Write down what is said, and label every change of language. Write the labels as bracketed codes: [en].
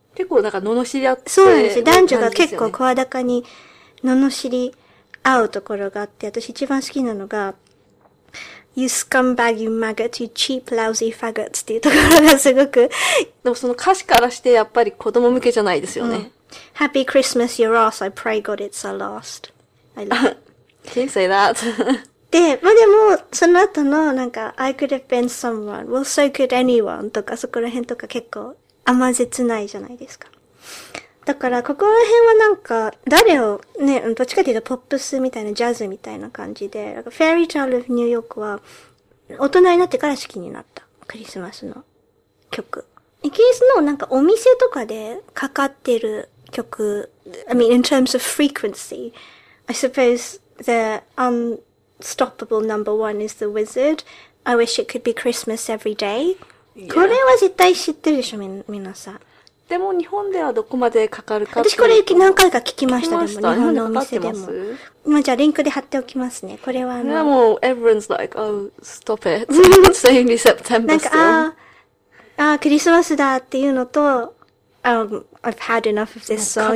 [ja] 結構なんか罵り合って、そうなんですよ。男女が結構声高に罵り合うところがあって、私一番好きなのが、 [en] You scumbag, you maggot, you cheap, lousy faggot [ja] っていうところがすごく。でもその歌詞からしてやっぱり子供向けじゃないですよね。うん、 [en] Happy Christmas, your ass, I pray God it's a last. I love it. Can you say that? [ja] で、まあ、でも、その後のなんか、 [en] I could have been someone, well, so could anyone [ja] とかそこら辺とか結構甘切ないじゃないですか。だから、ここら辺はなんか、誰を、ね、どっちかというと、ポップスみたいな、ジャズみたいな感じで、Fairy Tale of New York は、大人になってから好きになった。クリスマスの曲。イギリスのなんか、お店とかでかかってる曲、 [en] I mean, in terms of frequency, I suppose the unstoppable number one is The Wizard. I wish it could be Christmas every day.、Yeah. [ja] これは絶対知ってるでしょ、皆さん。でも日本ではどこまでかかるかっていうと。私これ何回か聞きました、でも日本のお店でも。まあじゃあリンクで貼っておきますね。これはでも、 [en] everyone's like, oh, stop it. It's only September still. [ja] なんか、ああ、クリスマスだっていうのと、 [en] I've had enough of this song.